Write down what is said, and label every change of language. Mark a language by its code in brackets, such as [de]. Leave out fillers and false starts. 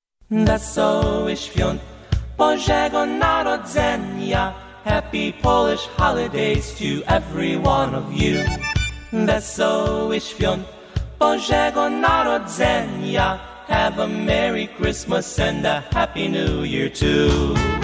[pl] Wesołych świąt, Bożego Narodzenia. [en] Happy Polish holidays to every one of you. [pl] Wesołych świąt, Bożego Narodzenia. [en] Have a Merry Christmas and a Happy New Year too.